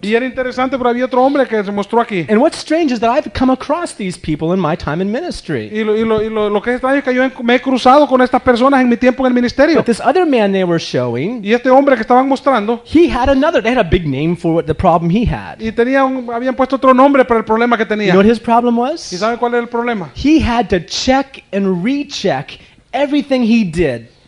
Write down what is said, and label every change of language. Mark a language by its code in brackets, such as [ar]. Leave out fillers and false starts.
[es] Y era interesante, pero había otro hombre que se mostró aquí. [en] And what's strange is that I've come across these people in my time in ministry. [es] Y lo que es extraño es que yo me he cruzado con estas personas en mi tiempo en el ministerio. [en] But this other man they were showing. [es] Y este hombre que estaban mostrando. [en] He had another. They had a big name for the problem he had. [es] Y tenía habían puesto otro nombre para el problema que tenía. [en] You know what his problem was? [es] ¿Y sabe cuál era el problema? [en] He had to check and recheck everything he did.